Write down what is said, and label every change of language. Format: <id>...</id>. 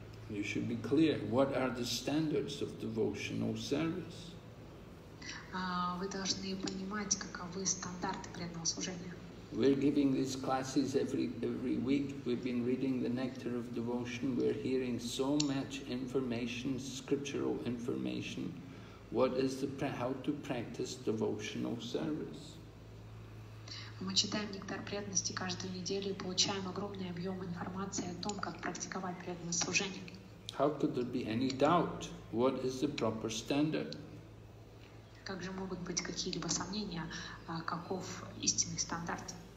<en>You should be clear what are the standards of devotional service.</en> <ru>Вы должны понимать, каковы стандарты преданного служения.</ru> <en>We're giving these classes every week. We've been reading the Nectar of Devotion. We're hearing so much information, scriptural information. What is the how to practice devotional service?</en> <ru>Мы читаем Нектар преданности каждую неделю и получаем огромный объем информации о том, как практиковать преданное служение.</ru> <en>How could there be any doubt? What is the proper standard?</en> <ru>Как же могут быть какие-либо сомнения, каков истинный стандарт?</ru>